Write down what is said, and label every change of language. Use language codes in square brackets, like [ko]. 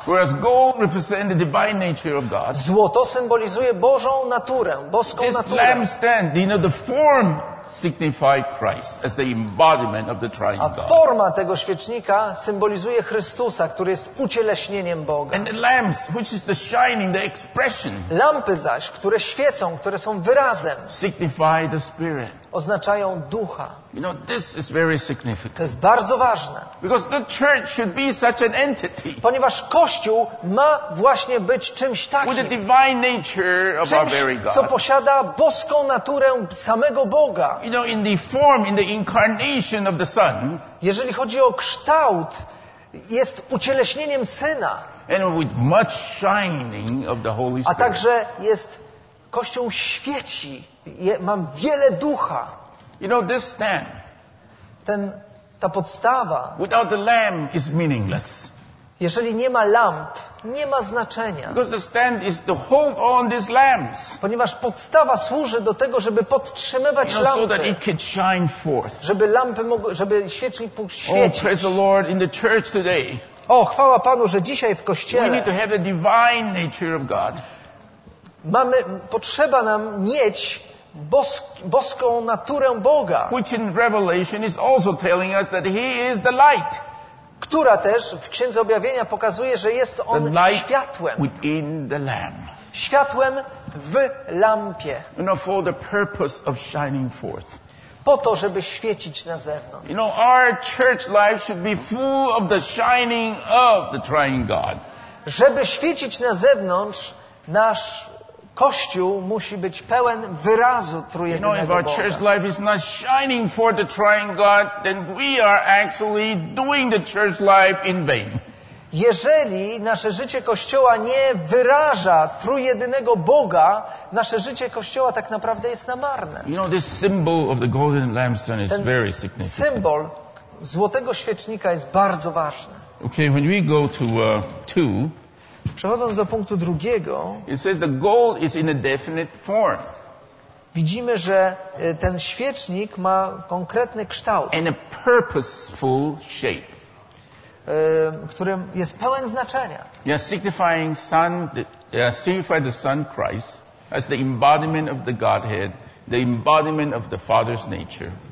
[en] Whereas gold represents the divine nature of God. [pl] Złoto symbolizuje Bożą naturę, boską [en] this [pl] naturę. [en] This lampstand, you know, the form signifies Christ as the embodiment of the triune God. [pl] A forma tego świecznika symbolizuje Chrystusa, który jest ucieleśnieniem Boga. [en] And the lamps, which is the shining, the expression. [pl] Lampy zaś, które świecą, które są wyrazem. [en] Signify the Spirit. [pl] Oznaczają ducha. [en] You know, this is very significant. [pl] To jest bardzo ważne. [en] Because the church should be such an entity. [pl] Ponieważ Kościół ma właśnie być czymś takim. [en] With the divine nature of our very God. [pl] Co posiada boską naturę samego Boga. [en] You know, in the form, in the incarnation of the Son. [pl] Jeżeli chodzi o kształt, jest ucieleśnieniem Syna. [en] And with much shining of the Holy Spirit. [pl] A także jest Kościół świeci. Mam wiele ducha. [en] You know, this stand, [pl] ta podstawa. [en] Without the lamp is meaningless. [pl] Jeżeli nie ma lamp, nie ma znaczenia. [en] Because the stand is to hold on these lamps. [pl] Ponieważ podstawa służy do tego, żeby podtrzymywać lampy. [en] So that it could shine forth. [pl] Żeby lampy mogły, żeby świecznik mógł świecić. [en] Oh, praise the Lord in the church today. [pl] O, chwała Panu, że dzisiaj w kościele. [en] We need to have the divine nature of God. [pl] Potrzeba nam mieć boską naturę Boga. [en] Which in Revelation is also telling us that He is the light. [pl] Która też w Księdze Objawienia pokazuje, że jest On [en] the light [pl] światłem. [en] Within the lamp. [pl] Światłem w lampie. [en] You know, for the purpose of shining forth. [pl] Po to, żeby świecić na zewnątrz. [en] You know, our church life should be full of the shining of the triune God. [pl] Żeby świecić na zewnątrz, nasz Kościół musi być pełen wyrazu trójjednego Boga. [en] You know, if our church life is not shining for the triune God, then we are actually doing the church life in vain. [pl] Jeżeli nasze życie Kościoła nie wyraża trójjedynego Boga, nasze życie Kościoła tak naprawdę jest na marne. [en] You know, this symbol of the golden lampstand is very significant. [pl] Symbol złotego świecznika jest bardzo ważny. [en] Okay, when we go to two. [pl] Przechodząc do punktu drugiego, [en] it says the gold is in a definite form. [pl] Widzimy, że ten świecznik ma konkretny kształt. [en] And a purposeful shape. [pl] Którym jest pełen znaczenia. [en] Yes, signifying Son, signifying the Son Christ as the embodiment of the Godhead, the embodiment of the Father's nature.